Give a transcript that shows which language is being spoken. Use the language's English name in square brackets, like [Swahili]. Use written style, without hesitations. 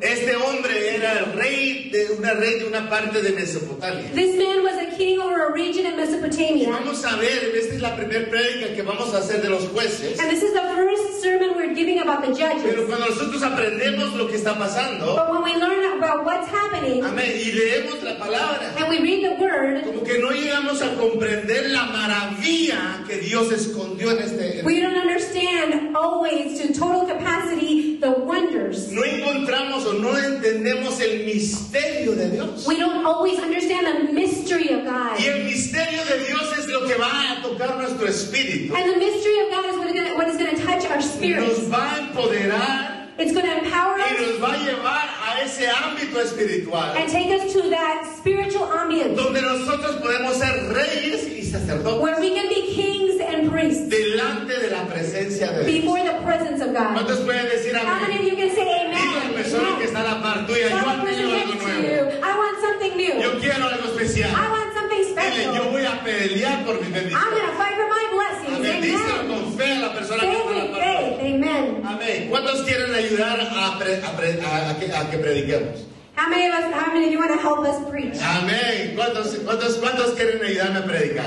[Spanish] Este hombre era el rey de una rey de una parte de Mesopotamia. [English] This man was a king over a region in Mesopotamia. [Spanish] Y vamos a ver, esta es la primera prédica que vamos a hacer de los jueces. [English] And this is the first sermon we're giving about the judges. [Spanish] Pero cuando nosotros aprendemos lo que está pasando, [English] but when we learn about what's happening, [Spanish] amén, y leemos la palabra, [English] and we read the word, [Spanish] como que no llegamos a comprender la maravilla que Dios escondió en este. [English] We don't understand always to total capacity the wonders. [Spanish] No encontramos o no entendemos el misterio de Dios. [English] We don't always understand the mystery of God. [Spanish] Y el misterio de Dios es lo que va a tocar. tocar nuestro espíritu. [English] And the mystery of God is what is going to touch our spirit. [Spanish] Nos va a empoderar. [English] It's going to empower us. [Spanish] Y nos va a llevar a ese ámbito espiritual. [English] And take us to that spiritual ambience. [Spanish] Donde nosotros podemos ser reyes y sacerdotes. [English] Where we can be kings and priests. [Spanish] Delante de la presencia de Dios. [English] Before the presence of God. [Spanish] ¿Cuántos pueden decir amén? [English] How many of you can say amen? [Spanish] Dile a la persona que está a la par tuya. Yo anhelo algo nuevo. [English] I want something new. [Spanish] Yo quiero algo especial. [English] I want something special. [Spanish] Dile, yo voy a pelear por mi bendición. [English] I'm going to fight for my blessings. Amen. [Spanish] Bendícelo con fe a la persona que está a la par. [English] Amen. [Spanish] ¿Cuántos quieren ayudar a que prediquemos? [English] How many of you want to help us preach? Amen. [Spanish] ¿Cuántos quieren ayudarme a predicar?